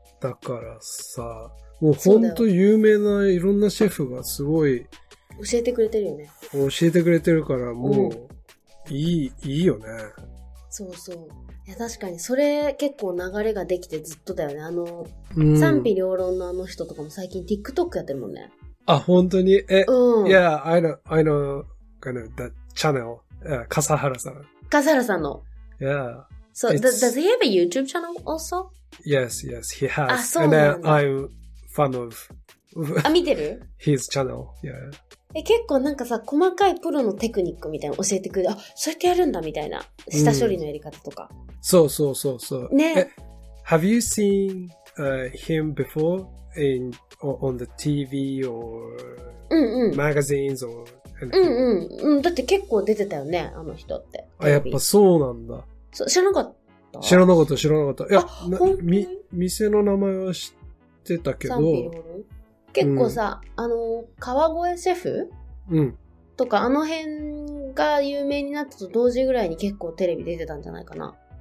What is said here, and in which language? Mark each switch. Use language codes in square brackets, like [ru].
[ja] だからさ、もう本当有名ないろんなシェフがすごい教えてくれてるよね。教えてくれてるからもう、いいよね。そうそう。いや確かにそれ結構流れができてずっとだよね。あの、賛否両論のあの人とかも最近 TikTok やってるもんね。あ、本当に。 [en] え、Yeah, I know kind of that channel. [ja] 笠原さん。笠原さんの。 [en] Yeah. So, does he have a YouTube channel also? Yes, yes, he has. [ja] あ、そうなんだ。 [en] And I'm fan of [ja] あ、見てる? [en] his channel. Yeah. [ja] え、結構なんかさ、細かいプロのテクニックみたいな教えてくれる。あ、そうやってやるんだみたいな。下処理のやり方とか。そうそうそうそう。ね。 [en] Have you seen him before in, on the TV or magazines or anything? [ja] だって結構出てたよね、あの人って。あ、やっぱそうなんだ。知らなかった知らなかった、知らなかった。いや、店の名前は知ってたけど。結構さ、あの、川越シェフ、とか、あの辺が有名になったと同時ぐらいに結構テレビ出てたんじゃないかな。